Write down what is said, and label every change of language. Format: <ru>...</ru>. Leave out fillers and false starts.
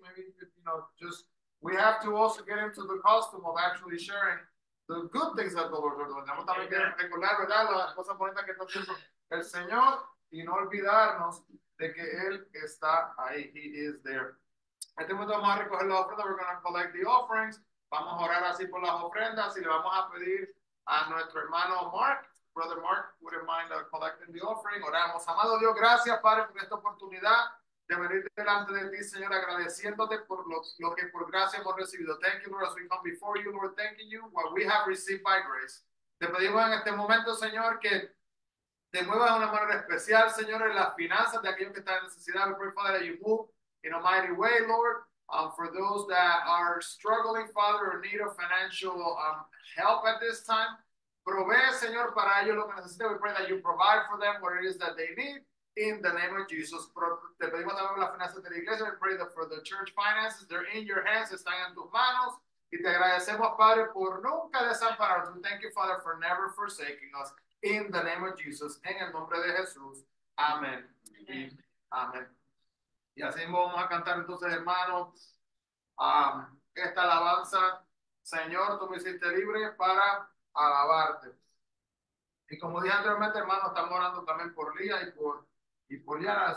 <en>Maybe, you know, just, we have to also get into the custom of actually sharing the good things that the Lord is doing.</en> <es>Vamos también a recordar, ¿verdad? Las cosas bonitas que está haciendo el Señor. Y no olvidarnos de que Él está ahí.</es> <en>He is there.</en> <es>Este momento vamos a recoger las ofrendas.</es> <en>We're going to collect the offerings.</en> <es>Vamos a orar así por las ofrendas. Y le vamos a pedir a nuestro hermano Mark.</es> <en>Brother Mark, wouldn't mind collecting the offering.</en> <es>Oramos. Amado Dios, gracias, Padre, por esta oportunidad de venir delante de ti, Señor, agradeciéndote por lo que por gracia hemos recibido.</es> <en>Thank you, Lord, as we come before you, Lord, thanking you what we have received by grace.</en> <es>Te pedimos en este momento, Señor, que te muevas de una manera especial, Señor, en las finanzas de aquellos que están en necesidad.</es> <en>We pray, Father, that you move in a mighty way, Lord, for those that are struggling, Father, or need of financial help at this time.</en> <es>Provee, Señor, para ellos lo que necesiten.</es> <en>We pray that you provide for them what it is that they need in the name of Jesus.</en> <es>Te pedimos también las finanzas de la iglesia.</es> <en>We pray that for the church finances, they're in your hands,</en> <es>están en tus manos. Y te agradecemos, Padre, por nunca desampararnos.</es> <en>We thank you, Father, for never forsaking us in the name of Jesus.</en> <es>En el nombre de Jesús. Amén. Amén. Y así vamos a cantar entonces, hermanos, esta alabanza. Señor, tú me hiciste libre para alabarte. Y como dije anteriormente, hermano, estamos orando también por Lía y por Yana.</es>